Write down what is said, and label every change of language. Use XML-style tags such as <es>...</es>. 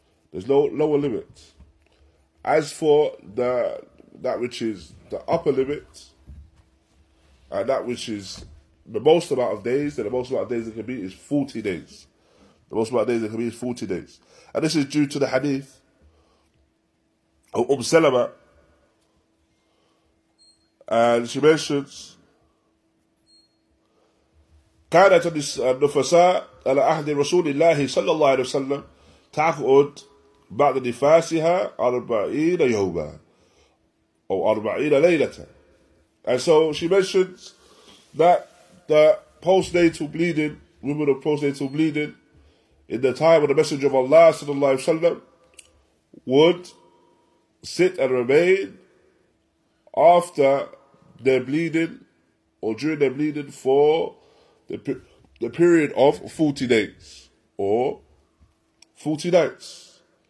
<en>There's no lower limit. As for that which is the upper limit, and that which is the most amount of days, then the most amount of days it can be is 40 days. The most amount of days it can be is 40 days. And this is due to the hadith of Salama. And she mentions,</en> <ar>كانت النفساء على أهل رسول الله صلى الله عليه وسلم تعقد بعد نفاسها 40 يوما أو 40 ليلة.</ar> <en>And so she mentions that the postnatal bleeding, women of postnatal bleeding, in the time of the Messenger of Allah sallallahu alaihi wasallam, would sit and remain after their bleeding or during their bleeding for the period of 40 days or 40 nights.</en>